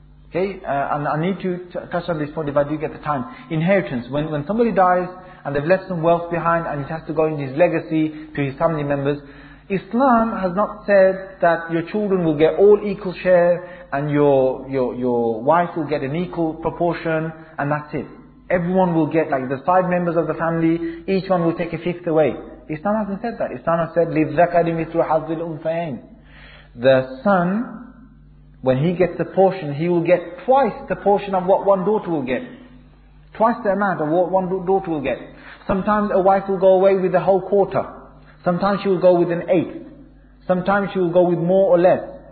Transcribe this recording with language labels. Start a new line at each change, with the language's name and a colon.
English: Okay, and I need to touch on this point if I do get the time. Inheritance, when somebody dies, and they've left some wealth behind, and it has to go in his legacy to his family members. Islam has not said that your children will get all equal share, and your wife will get an equal proportion, and that's it. Everyone will get, like the five members of the family, each one will take a fifth away. Islam hasn't said that. Islam has said,
Arabic: لِذَّكَرِ مِثْلُ حَظِّ الْأُنْثَيَيْنِ.
English: The son, when he gets the portion, he will get twice the portion of what one daughter will get. Twice the amount of what one daughter will get. Sometimes a wife will go away with the whole quarter. Sometimes she will go with an eighth. Sometimes she will go with more or less.